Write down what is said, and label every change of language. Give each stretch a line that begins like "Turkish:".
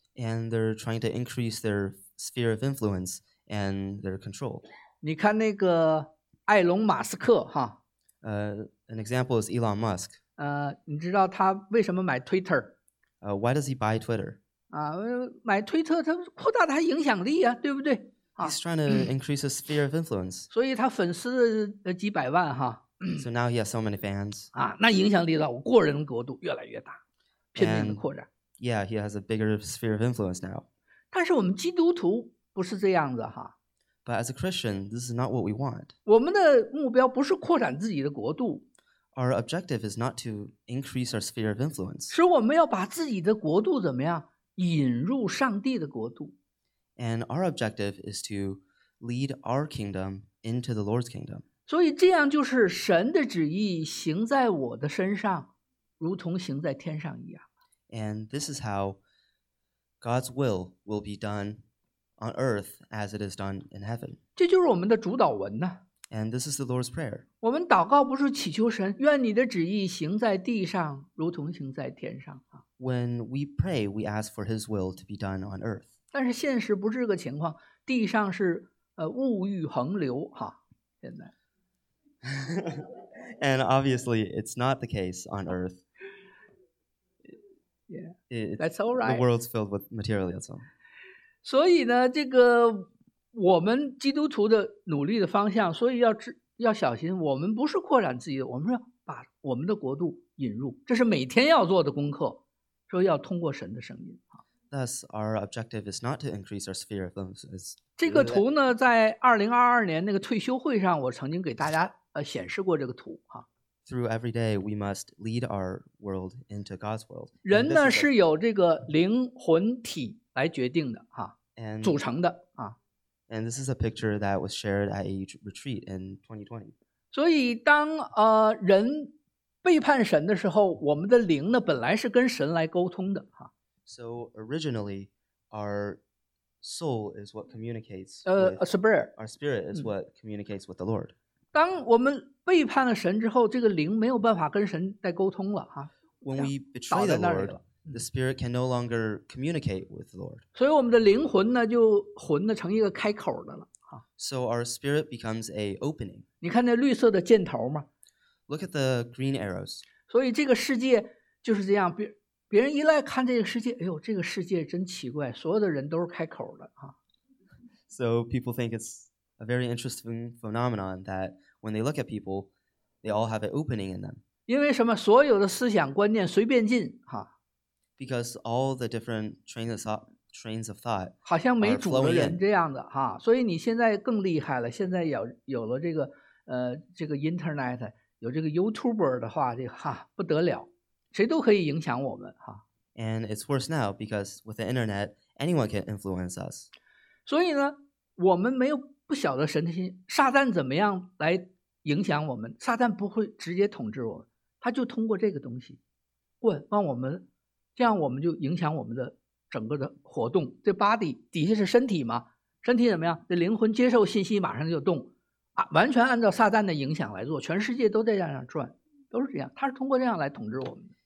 English: And they're trying to increase their sphere of influence and their control.
Chinese: 你看那个埃隆·马斯克哈。
English: An example is Elon Musk.
Chinese: 你知道他为什么买 Twitter?
English: Why does he buy Twitter?
Chinese: 买推特他扩大他影响力啊，对不对？
English: He's trying to increase his sphere of influence.
Chinese: 所以他粉丝几百万哈。
English: So now he has so many fans.
Chinese: 那影响力到我个人国度越来越大，拼命的扩展。
English: Yeah, he has a bigger sphere of influence now.
Chinese: 但是我们基督徒不是这样子哈。
English: But as a Christian, this is not what we want.
Chinese: 我们的目标不是扩展自己的国度。
English: Our objective is not to increase our sphere of influence.
Chinese: 是我们要把自己的国度怎么样引入上帝的国度。
English: And our objective is to lead our kingdom into the Lord's kingdom.
Chinese: 所以这样就是神的旨意行在我的身上，如同行在天上一样。
English: And this is how God's will be done on earth as it is done in heaven.
Chinese: 这就是我们的主导文呢。
English: And this is the Lord's prayer.
Chinese: 我们祷告不是祈求神，愿你的旨意行在地上，如同行在天上。
English: When we pray, we ask for His will to be done on earth.
Chinese: 但是现实不是这个情况，地上是物欲横流哈，现在。
English: And obviously, it's not the case on Earth. Yeah, that's all right. The world's filled with materialism.
Chinese: 所以呢，这个我们基督徒的努力的方向，所以要小心，我们不是扩展自己的，我们是把我们的国度引入，这是每天要做的功课，说要通过神的声音。
English: Thus, our objective is not to increase our sphere of influence.
Chinese: 这个图呢，在2022年那个退休会上，我曾经给大家显示过这个图哈。
English: Through every day, we must lead our world into God's world.
Chinese: 人呢是由这个灵魂体来决定的哈，组成的啊。
English: And this is a picture that was shared at a retreat in 2020.
Chinese: 所以当人背叛神的时候，我们的灵呢本来是跟神来沟通的哈。
English: So originally, our soul is what communicates. Spirit. Our spirit is what communicates with the Lord.
Chinese: 当我们背叛了神之后，这个灵没有办法跟神再沟通了哈。
English: When we betray the Lord, the spirit can no longer communicate with the Lord.
Chinese: 所以我们的灵魂呢，就魂呢成一个开口的了哈。
English: So our spirit becomes a opening.
Chinese: 你看那绿色的箭头吗
English: ？Look at the green arrows.
Chinese: 所以这个世界就是这样。别人一来看这个世界，哎呦，这个世界真奇怪，所有的人都是开口的啊。
English: So people think it's a very interesting phenomenon that when they look at people, they all have an opening in them.
Chinese: 因为什么？所有的思想观念随便进哈。
English: Because all the different trains of thought.
Chinese: 好像没主的人这样的哈，所以你现在更厉害了。现在有了这个这个 Internet， 有这个 YouTuber 的话，这个哈不得了。谁都可以影响我们哈。
English: And it's worse now because with the internet, anyone can influence us.
Chinese: 所以呢，我们没有不晓得神的心，撒旦怎么样来影响我们，撒旦不会直接统治我们，他就通过这个东西问让我们，这样我们就影响我们的整个的活动。这 body 底下是身体嘛，身体怎么样，这灵魂接受信息马上就动啊，完全按照撒旦的影响来做，全世界都在这样转，都是这样，他是通过这样来统治我们。